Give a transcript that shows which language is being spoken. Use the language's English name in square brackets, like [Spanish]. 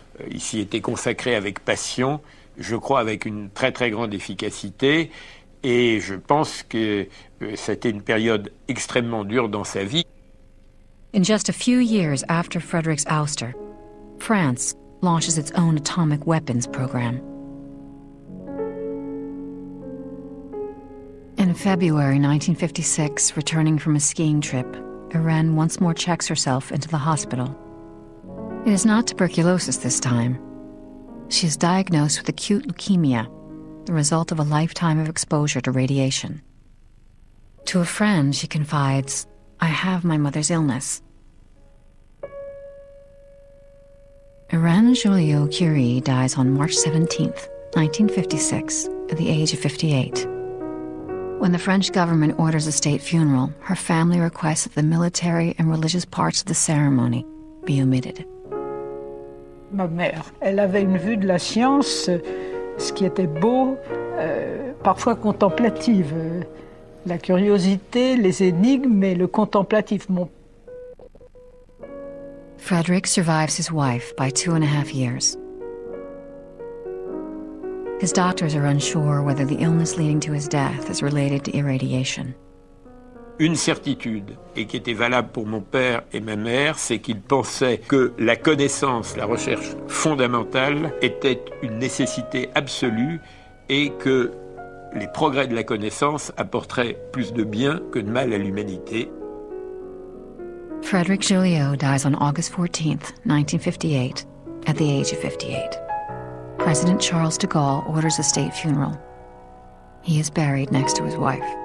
[French] Il s'y était consacré avec passion, je crois avec une très très grande efficacité, et je pense que c'était une période extrêmement dure dans sa vie. [English] In just a few years after Frédéric's ouster, France launches its own atomic weapons program. In February 1956, returning from a skiing trip, Irène once more checks herself into the hospital. It is not tuberculosis this time. She is diagnosed with acute leukemia, the result of a lifetime of exposure to radiation. To a friend, she confides, I have my mother's illness. Irène Joliot Curie dies on March 17, 1956, at the age of 58. When the French government orders a state funeral, her family requests that the military and religious parts of the ceremony be omitted. [French] Ma mère, elle avait une vue de la science, ce qui était beau, parfois contemplative. La curiosité, les énigmes et le contemplatif. [English] Frédéric survives his wife by 2.5 years. His doctors are unsure whether the illness leading to his death is related to irradiation. [French] Une certitude, et qui était valable pour mon père et ma mère, c'est qu'ils pensaient que la connaissance, la recherche fondamentale, était une nécessité absolue et que les progrès de la connaissance apporteraient plus de bien que de mal à l'humanité. [English] Frédéric Joliot dies on August 14, 1958, at the age of 58. President Charles de Gaulle orders a state funeral. He is buried next to his wife.